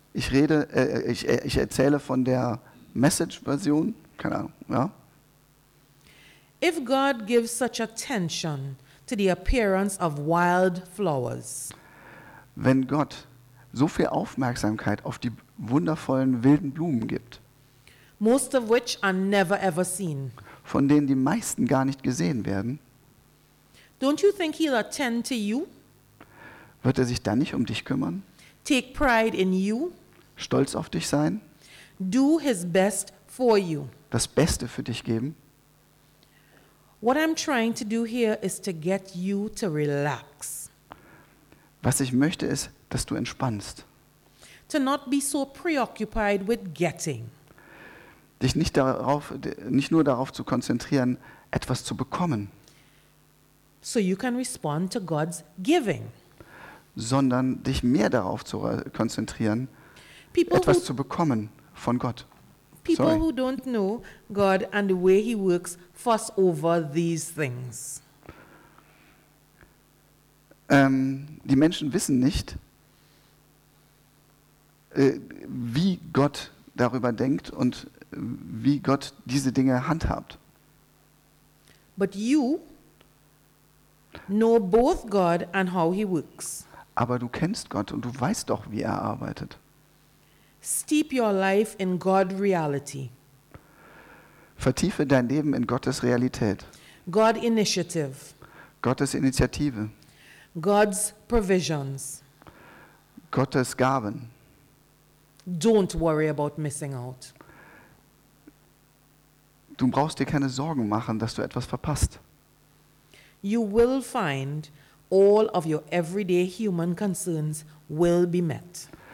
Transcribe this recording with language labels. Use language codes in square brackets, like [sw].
[de] Ich erzähle von der Message-Version, keine Ahnung, ja. [en] If God gives such attention to the appearance of wild flowers. [de] Wenn Gott so viel Aufmerksamkeit auf die wundervollen wilden Blumen gibt, [en] most of which are never ever seen, [de] von denen die meisten gar nicht gesehen werden, [en] don't you think he'll attend to you? [de] Wird er sich dann nicht um dich kümmern? [en] Take pride in you? [de] Stolz auf dich sein? [en] Do his best for you. [de] Das Beste für dich geben? [en] What I'm trying to do here is to get you to relax. [de] Was ich möchte ist, dass du entspannst. [en] To not be so preoccupied with getting. [de] Dich nicht nur darauf zu konzentrieren, etwas zu bekommen. [en] So you can respond to God's giving. [de] Sondern dich mehr darauf zu konzentrieren, etwas zu bekommen von Gott. [en] People who don't know God and the way he works fuss over these things. [de] Die Menschen wissen nicht, wie Gott darüber denkt und wie Gott diese Dinge handhabt. [en] But you know both God and how he works. [de] Aber du kennst Gott und du weißt doch, wie er arbeitet. [en] Steep your life in God reality. [de] Vertiefe dein Leben in Gottes Realität. [en] God initiative. [de] Gottes Initiative. [en] God's provisions. [de] Gottes Gaben. [en] Don't worry about missing out. [de] Du brauchst dir keine Sorgen machen, dass du etwas verpasst. [en] You will find all of your everyday human concerns will be met.